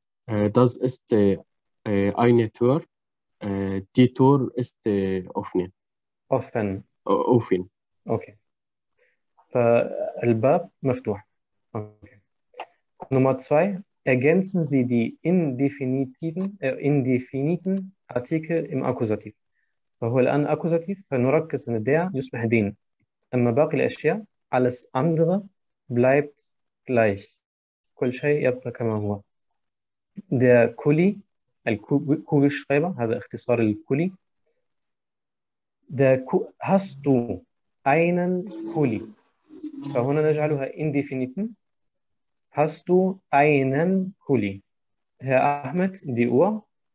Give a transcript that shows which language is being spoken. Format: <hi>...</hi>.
<de>does ist eine Tür die Tür ist offen Offen. offen Okay.</de> <ar>فالباب مفتوح.</ar> <de>Okay. Nummer zwei. Ergänzen Sie die indefiniten Artikel im Akkusativ.</de> <ar>فهو الآن أكوزاتيف فنركز أن</ar> <de>der</de> <ar>يصبح</ar> <de>den.</de> <ar>أما باقي الأشياء</ar> <de>alles andere bleibt gleich.</de> <ar>كل شيء يبقى كما هو. Der Kuli, الكوغلشرايبر, هذا اختصار الكولي.</ar> <de>Hast du einen Kuli؟</de> <ar>فهنا نجعلها</ar> <de>indefiniten. Hast du einen Kuli؟ Herr Ahmed, die Uhr.</de>